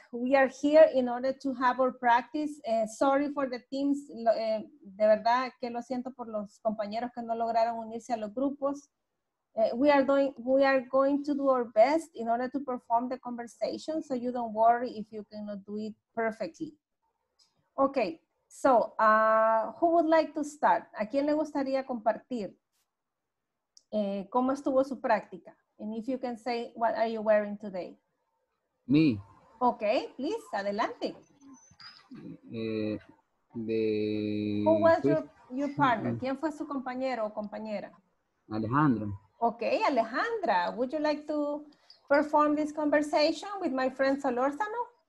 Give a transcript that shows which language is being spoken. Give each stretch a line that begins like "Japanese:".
English: We are here in order to have our practice. Sorry for the teams,
Spanish: de verdad que lo siento por los compañeros que no lograron unirse a los grupos.
English: We are going to do our best in order to perform the conversation, so you don't worry if you cannot do it perfectly. Okay, so who would like to start?
Spanish: ¿A quién le gustaría compartir cómo estuvo su práctica?
English: And if you can say, what are you wearing today? Me. Okay, please, adelante. Who was your
Spanish: partner? ¿Quién fue su compañero o compañera? Alejandro.
English: Okay, Alejandra, would you like to perform this conversation with my friend Solórzano?